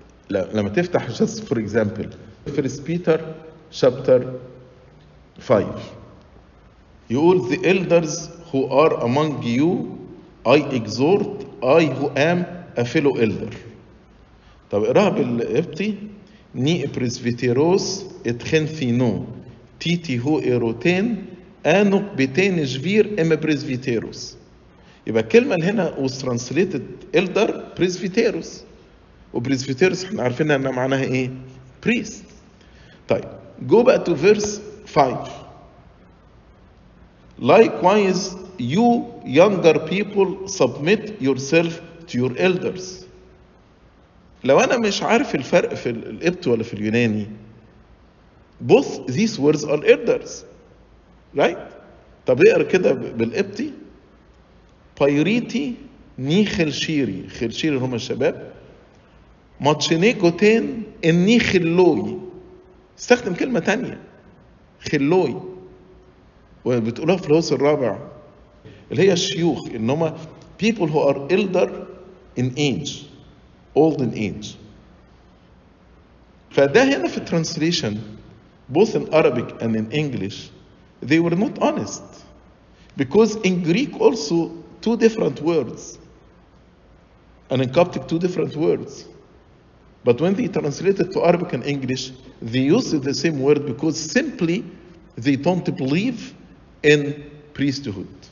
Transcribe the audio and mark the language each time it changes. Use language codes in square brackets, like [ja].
[ar] لما تفتح [en] just for example, First Peter chapter 5. [ar] يقول [en] the elders who are among you, I exhort, I who am a fellow elder. [ar] طب اقراها بالقبطي. [cop] ني بريسبيتيروس اتخنثينو تيتي هو ايروتين انوك بتين جفير ام بريسبيتيروس. [ar] يبقى الكلمة اللي هنا [en] was translated elder [ar] بريسبيتيروس. وبريسبيتيروس احنا عارفين ان معناها ايه؟ [en] priest. [ar] طيب [en] go back to verse 5. Likewise, you younger people, submit yourself to your elders. [ar] لو انا مش عارف الفرق في القبط ولا في اليوناني, [en] both these words are elders, right? [ar] طب اقرا كده بالقبطي. [cop] بايريتي ني خلشيري, خلشيري [ar] هما الشباب. [cop] ماتشينيكوتين اني خلوي, [ar] استخدم كلمة تانية خلوي, وبتقولها في الهوس الرابع اللي هي الشيوخ, انهم [en] people who are elder in age, [ar] old in age. فده هنا في [en] translation both in Arabic and in English they were not honest, because in Greek also two different words and in Coptic two different words. But when they translated to Arabic and English, they used the same word because simply they don't believe in priesthood.